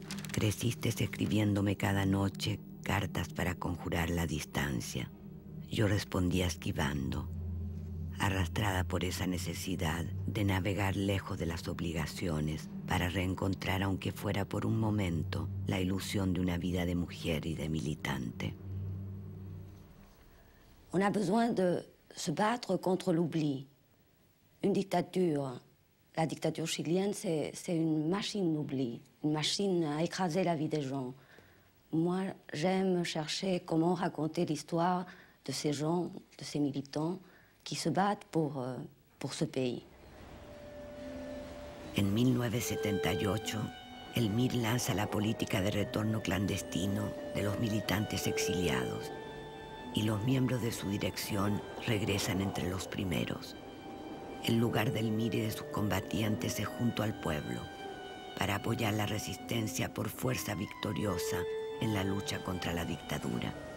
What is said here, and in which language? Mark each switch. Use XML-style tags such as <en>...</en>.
<es>Creciste escribiéndome cada noche cartas para conjurar la distancia. Yo respondía esquivando, arrastrada por esa necesidad de navegar lejos de las obligaciones para reencontrar, aunque fuera por un momento, la ilusión de una vida de mujer y de militante.</es> <fr>On a besoin de se battre contre l'oubli. Une dictature, la dictature chilienne, c'est une machine d'oubli, une machine à écraser la vie des gens. Moi, j'aime chercher comment raconter l'histoire de ces gens, de ces militants qui se battent pour ce pays.</fr> <es>En 1978, el MIR lanza la política de retorno clandestino de los militantes exiliados y los miembros de su dirección regresan entre los primeros. El lugar del MIR y de sus combatientes es junto al pueblo para apoyar la resistencia por fuerza victoriosa en la lucha contra la dictadura.</es>